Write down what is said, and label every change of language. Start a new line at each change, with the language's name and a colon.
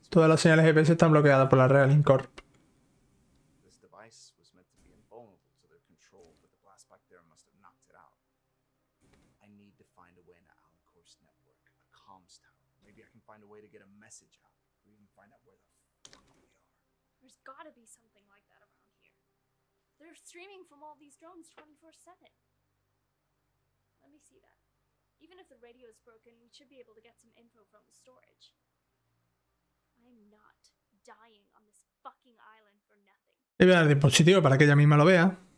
Spanish: Todas las señales GPS están bloqueadas por la Real Incorp.
English: This device was meant to be invulnerable to their control, but the blast back there must have knocked it out. I need to find a way into Allen Corp's network, a comms tower. Maybe I can find a way to get a message out. We can find out where the fuck we are. There's gotta be something like that around. They're streaming from all these drones 24/7. Let me see that. Even if the radio is broken, we should be able to get some info from the storage. I'm not dying on this fucking island for nothing.
Spanish: Le voy a dar dispositivo para que ella misma lo vea.